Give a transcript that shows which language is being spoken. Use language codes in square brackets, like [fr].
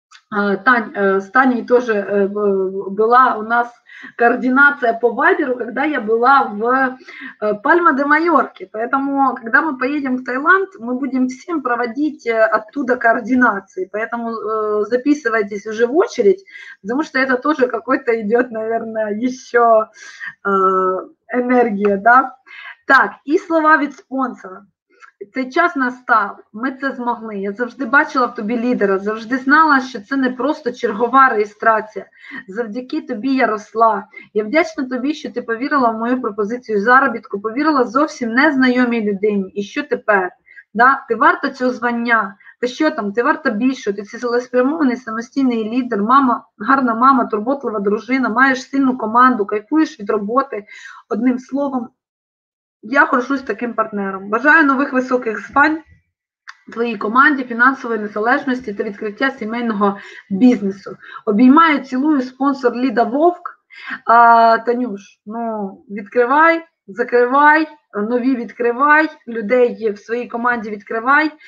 [ru] С Таней тоже была у нас координация по Вайберу, когда я была в Пальма-де-Майорке. Поэтому, когда мы поедем в Таиланд, мы будем всем проводить оттуда координации. Поэтому записывайтесь уже в очередь, потому что это тоже какой-то идет, наверное, еще энергия, да? [uk] Так, і слова від спонсора. Цей час настав, ми це змогли. Я завжди бачила в тобі лідера, завжди знала, що це не просто чергова реєстрація. Завдяки тобі я росла. Я вдячна тобі, що ти повірила в мою пропозицію заробітку, повірила зовсім незнайомій людині. І що тепер? Да? Ти варта цього звання. Та що там? Ти варта більше. Ти цілеспрямований самостійний лідер, мама, гарна мама, турботлива дружина, маєш сильну команду, кайфуєш від роботи. [ru] Одним словом, я горжусь таким партнером. [uk] Бажаю нових високих звань твоїй команді, фінансової незалежності та відкриття сімейного бізнесу. Обіймаю, цілую, спонсор Ліда Вовк. Танюш, ну, відкривай, закривай, нові відкривай, людей в своїй команді відкривай.